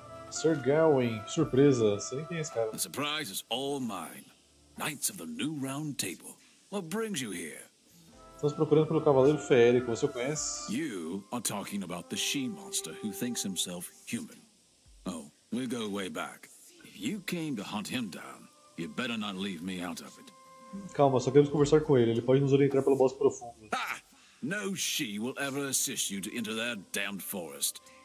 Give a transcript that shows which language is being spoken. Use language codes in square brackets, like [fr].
[pt] Sir Gawain, surpresa, sei quem é esse cara. [en] The surprise is all mine. Knights of the New Round Table. What brings you here? [pt] Estamos procurando pelo cavaleiro feérico, você o conhece? [en] You are talking about the she monster who thinks himself human. Oh, we go way back. If you came to hunt him down, you better not leave me out of it. [pt] Calma, só queremos conversar com ele. Ele pode nos orientar pelo bosque profundo. Ha! [en] No she will ever assist you to enter that damned forest.